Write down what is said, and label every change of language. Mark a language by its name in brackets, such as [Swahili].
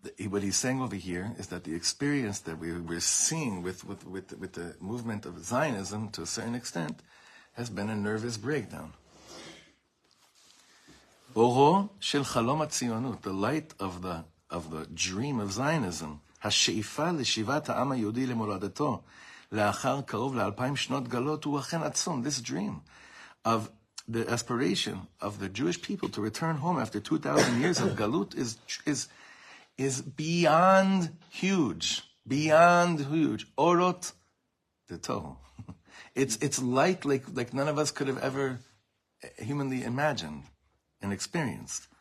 [English] What he's saying over here is that the experience that we're seeing with the movement of Zionism to a certain extent has been a nervous breakdown. [Hebrew] Oro shel chalom atzionut, [English] the light of the dream of Zionism. [Hebrew] השאיפה לשיבת העם היהודי למולדתו לאחר קרוב ל-2000 שנות גלות הוא אכן עצום. [English] This dream of the aspiration of the Jewish people to return home after 2000 years of galut is beyond huge. Beyond huge. Orot deto. It's light like none of us could have ever humanly imagined and experienced.